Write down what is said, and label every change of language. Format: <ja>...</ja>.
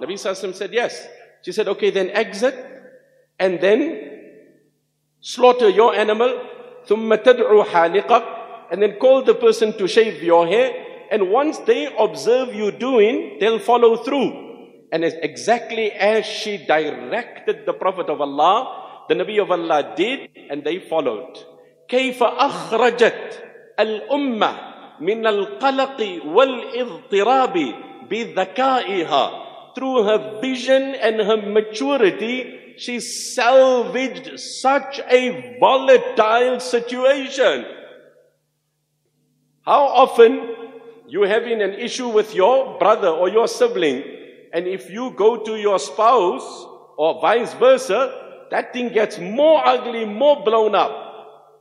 <en>Nabi sallallahu alayhi wa said, yes. She said, okay, then exit and then slaughter your animal.</en> <ar>Thumma tad'u haliqak,</ar> <en>and then call the person to shave your hair. And once they observe you doing, they'll follow through. And it's exactly as she directed the Prophet of Allah, the Nabi of Allah did, and they followed.</en> <ar>كيف أخرجت الأمة من القلق والاضطراب بذكائها.</ar> <en>Through her vision and her maturity, she salvaged such a volatile situation. How often you having an issue with your brother or your sibling, and if you go to your spouse or vice versa, that thing gets more ugly, more blown up.</en>